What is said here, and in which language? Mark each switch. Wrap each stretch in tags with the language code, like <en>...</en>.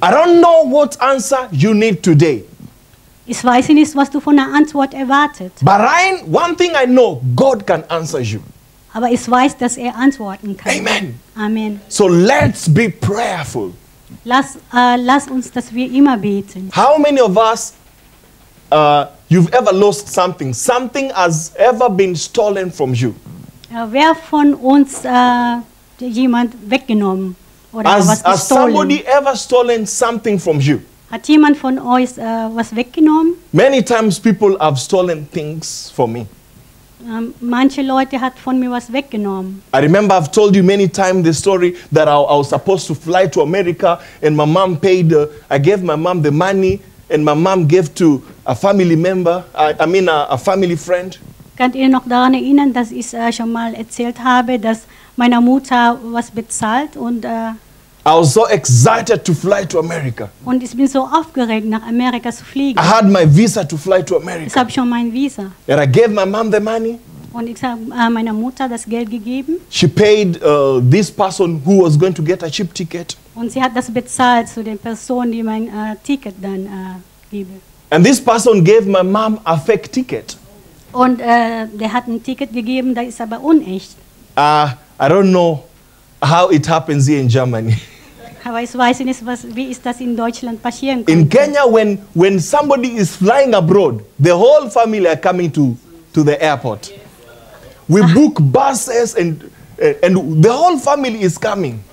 <en>I don't know what answer you need today.</en> <de>Ich weiß nicht, was du von der Antwort erwartet.</de> <en>But one thing I know, God can answer you.</en> <de>Aber ich weiß, dass er antworten kann.</de> <en>Amen.</en> <de>Amen.</de> <en>So let's be prayerful.</en> <de>Lass uns, dass wir immer beten.</de> <en>How many of us you've ever lost something? Something has ever been stolen from you?</en> <de>Wer von uns jemand weggenommen?</de> <en>Has somebody ever stolen something from you?</en> <de>Hat jemand von euch was weggenommen?</de> <en>Many times people have stolen things from me.</en> <de>Manche Leute hat von mir was weggenommen.</de> <en>I remember I've told you many times the story that I was supposed to fly to America and my mom paid, I gave my mom the money and my mom gave to a family member, a family friend.</en> <de>Könnt ihr noch daran erinnern, dass ich schon mal erzählt habe, dass meine Mutter was bezahlt und</de> <en>I was so excited to fly to America.</en> <de>Und ich bin so aufgeregt, nach Amerika zu fliegen.</de> <en>I had my visa to fly to America.</en> <de>Ich habe schon mein Visa.</de> <en>And I gave my mom the money.</en> <de>Und ich habe meiner Mutter das Geld gegeben.</de> <en>She paid this person who was going to get a ship ticket.</en> <de>Und sie hat das bezahlt zu den Personen, die mein Ticket dann geben.</de> <en>And this person gave my mom a fake ticket.</en> <de>Und der hat ein Ticket gegeben, das ist aber unecht.</de> <en>I don't know how it happens here in Germany.</en> <de>Aber ich weiß nicht, was, wie ist das in Deutschland passieren kann.</de> <en>In Kenya, when somebody is flying abroad, the whole family are coming to the airport. We book buses and the whole family is coming.</en>